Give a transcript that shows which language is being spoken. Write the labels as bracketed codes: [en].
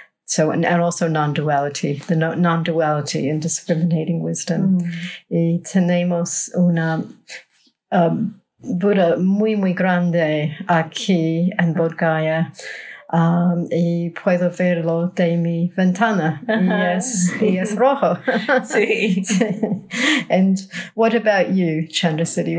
[en] So, and also non-duality, the non-duality and discriminating wisdom. [es] Y tenemos una Buddha muy, muy grande aquí en Bodh Gaya. Y puedo verlo de mi ventana. Y es rojo. Sí. [en] And what about you, Chandrasiri?